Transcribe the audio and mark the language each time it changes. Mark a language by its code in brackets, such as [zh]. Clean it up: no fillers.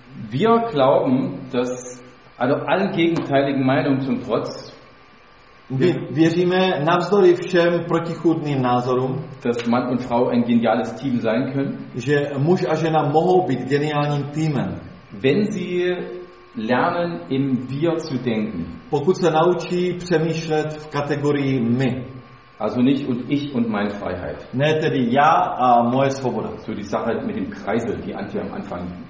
[de] Wir glauben, dass allen gegenteiligen Meinungen zum Trotz, [cs] Věříme navzdory všem protichůdným názorům, [de] dass Mann und Frau ein geniales Team sein können, [cs] že muž a žena mohou být geniálním týmem, [de] wenn sie lernen im Wir zu denken. [cs] Pokud se naučí přemýšlet v kategorii my. [de] Also nicht und ich und meine Freiheit. [cs] Ne, tedy já a moje svoboda. [de] So die Sache mit dem Kreisel, die Antje am Anfang